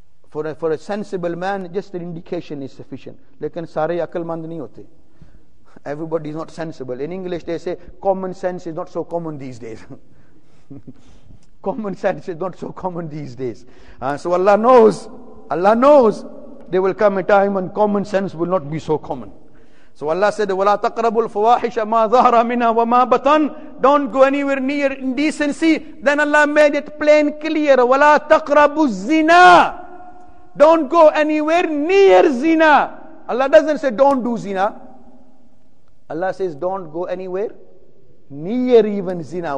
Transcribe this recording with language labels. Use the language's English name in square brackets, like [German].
[English] For a sensible man, just an indication is sufficient. [Urdu] Lekin sare akal mand nahi hote. [English] Everybody is not sensible. In English they say common sense is not so common these days. Common sense is not so common these days. So Allah knows there will come a time when common sense will not be so common. So Allah said, [Arabic] وَلَا تَقْرَبُوا الْفَوَاحِشَ مَا ظَهْرَ مِنَا وَمَا بَطَنْ. [English] Don't go anywhere near indecency. Then Allah made it plain clear. [Arabic] وَلَا تَقْرَبُوا الزِّنَا. [English] Don't go anywhere near zina. Allah doesn't say don't do zina. Allah says don't go anywhere near even zina.